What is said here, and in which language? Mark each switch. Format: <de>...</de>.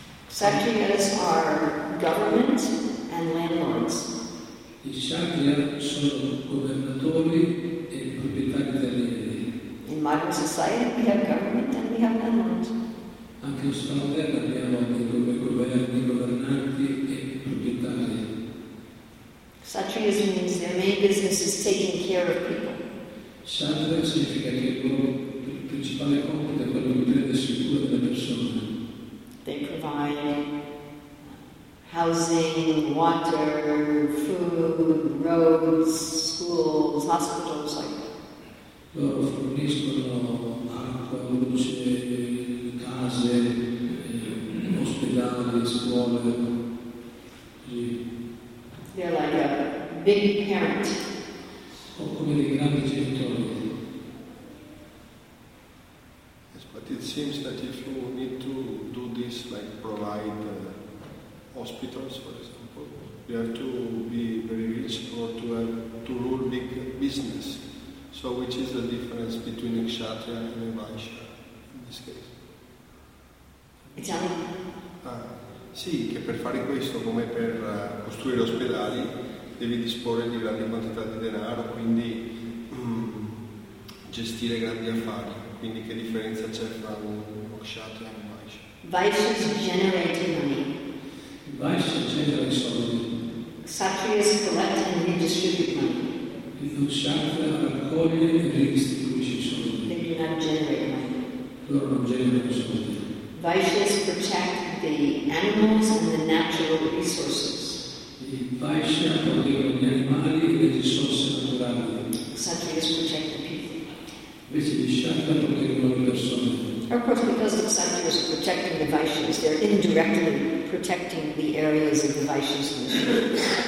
<en>Kshatriyas are government and landlords.</en> <it>I kshatriya sono governatori e proprietari delle aree.</it> <en>In modern society we have government and we have landlords.</en> <it>Anche in società moderna abbiamo dei governi, governanti e proprietari.</it> <en>Kshatriyas means their main business is taking care of people.</en> <it>Kshatriya significa che il loro principale compito è quello di prendersi cura delle persone.</it> <en>They provide housing, water, food, roads, schools, hospitals, like that.</en> <it>Loro forniscono acqua, luce, case, ospedali, scuole.</it> <en>They're like a big parent.</en> <it>O come dei grandi genitori.</it> <en>But it seems that if you need to do this, like provide hospitals, for example, you have to be very rich or to have to rule big business. So which is the difference between a kshatriya and a vaishya in this case?</en> <it>Sì, che per fare questo, come per costruire ospedali, devi disporre di grandi quantità di denaro, quindi gestire grandi affari. Quindi che differenza c'è fra un kshatriya e un vaishya?</it> <en>Vaishya is generating money.</en> <it>Vaishya genera i soldi.</it> <en>Kshatriya is collecting and redistributing money.</en> <it>Il kshatriya raccoglie e redistribuisce i soldi.</it> <en>They do not generate money.</en> <it>Loro non generano soldi.</it> <en>Vaishya protect the animals and the natural resources.</en> <it>Vaishya protegge gli animali e le risorse naturali.</it> <en>Kshatriya protect the people.</en> <it>Invece di Kshatriya protegge le persone.</it> <en>Of course, because the Kshatriya is protecting the Vaishyas, they're indirectly protecting the areas of the Vaishyas and the</en>